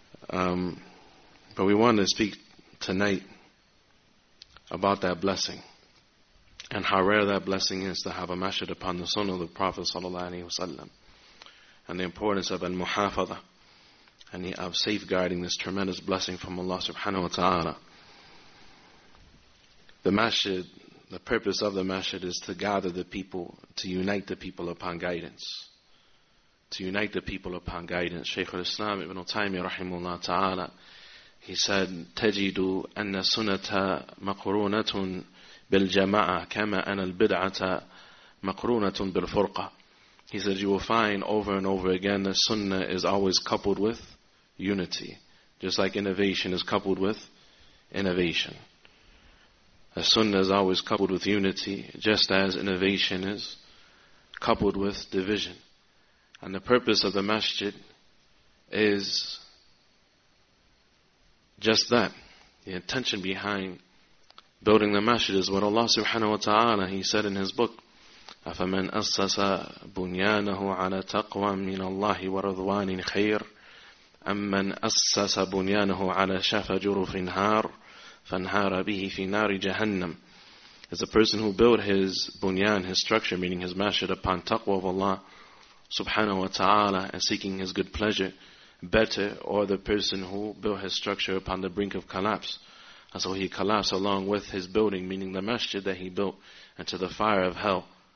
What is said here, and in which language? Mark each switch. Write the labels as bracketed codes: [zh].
[en] But we wanted to speak tonight about that blessing, and how rare that blessing is to have a masjid upon the sunnah of the Prophet sallallahu alaihi wasallam, and the importance of al-muhafadha, and of safeguarding this tremendous blessing from Allah subhanahu wa ta'ala. The masjid, the purpose of the masjid is to gather the people, to unite the people upon guidance. To unite the people upon guidance. Shaykh al-Islam Ibn Taymiyyah rahimahullah ta'ala, he said, [ar] تَجِدُ أَنَّ سُنَّةَ مَقْرُونَةٌ بِالْجَمَعَةَ كَمَا أَنَ الْبِدْعَةَ مَقْرُونَةٌ بِالْفُرْقَةَ. [en] He says, you will find over and over again that sunnah is always coupled with unity, just like innovation is coupled with innovation. A sunnah is always coupled with unity, just as innovation is coupled with division. And the purpose of the masjid is just that. The intention behind building the masjid is what Allah subhanahu wa ta'ala, He said in His book, [ar] أَفَمَنْ أَسَّسَ بُنْيَانَهُ عَلَى تَقْوَى مِنَ اللَّهِ وَرَضْوَانٍ خَيْرٍ أَمَّنْ أَسَّسَ بُنْيَانَهُ عَلَى شَفَى جُرُفٍ هَارٍ فَانْهَارَ بِهِ فِي نَارِ جَهَنَّمْ. [en] As a person who built his bunyan, his structure, meaning his masjid, upon taqwa of Allah subhanahu wa ta'ala and seeking His good pleasure, better, or the person who built his structure upon the brink of collapse. And so he collapsed along with his building, meaning the masjid that he built, into the fire of hell,